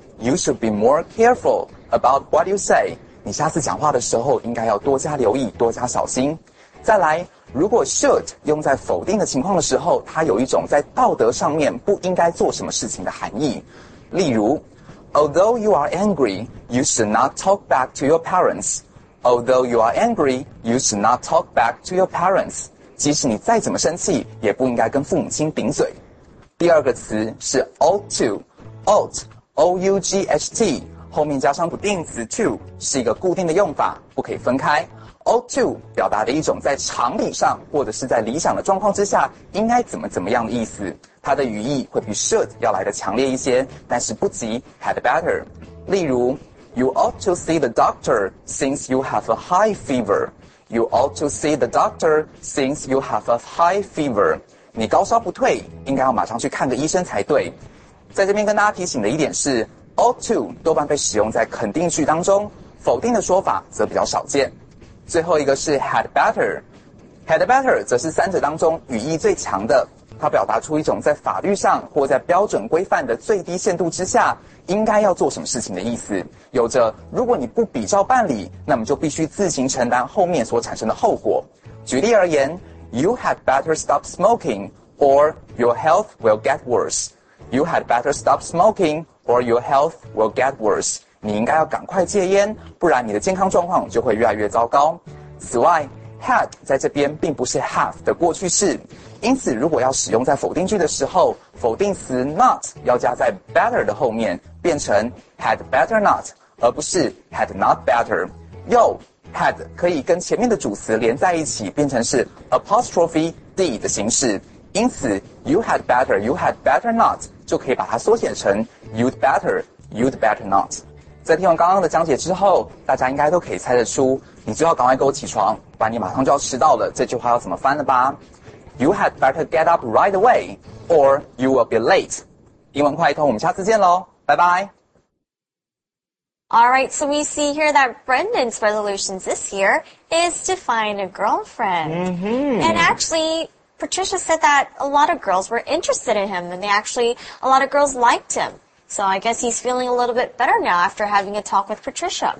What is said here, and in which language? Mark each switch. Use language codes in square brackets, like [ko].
[en] you should be more careful about what you say. [zh] 你下次讲话的时候应该要多加留意，多加小心。再来，如果 should 用在否定的情况的时候，它有一种在道德上面不应该做什么事情的含义。例如 [en] ，Although you are angry, you should not talk back to your parents. Although you are angry, you should not talk back to your parents. [zh] 即使你再怎么生气，也不应该跟父母亲顶嘴。第二个词是 ought to, ought, O-U-G-H-T, 后面加上不定词 to, 是一个固定的用法，不可以分开。 Ought to 表达的一种在常理上或者是在理想的状况之下应该怎么怎么样的意思，它的语义会比 should 要来的强烈一些，但是不及 had better。例如 [en] You ought to see the doctor since you have a high fever. You ought to see the doctor since you have a high fever. [zh] 你高烧不退，应该要马上去看个医生才对。在这边跟大家提醒的一点是， ought to 多半被使用在肯定句当中，否定的说法则比较少见。最后一个是 had better， had better 则是三者当中语义最强的，它表达出一种在法律上或在标准规范的最低限度之下应该要做什么事情的意思，有着如果你不比照办理，那么就必须自行承担后面所产生的后果。举例而言， [en] You had better stop smoking or your health will get worse. You had better stop smoking or your health will get worse. [zh] 你应该要赶快戒烟，不然你的健康状况就会越来越糟糕。此外 had 在这边并不是 have 的过去式，因此如果要使用在否定句的时候，否定词 not 要加在 better 的后面，变成 [en] had better not [zh] 而不是 [en] had not better。 [zh] 又 had 可以跟前面的主词连在一起，变成是 apostrophe d 的形式，因此 [en] you had better you had better not [zh] 就可以把它缩写成 [en] you'd better you'd better not。 [zh] 在听完刚刚的讲解之后，大家应该都可以猜得出，你就要赶快给我起床，不然你马上就要迟到了，这句话要怎么翻了吧？ [en] You had better get up right away, or you will be late. [zh] 英文快一通，我们下次见咯，拜拜。 [en] All right, so we see here that Brendan's resolutions this year is to find a girlfriend. Mm-hmm. And actually... Patricia said that a lot of girls were interested in him, and they actually, a lot of girls liked him. So I guess he's feeling a little bit better now after having a talk with Patricia.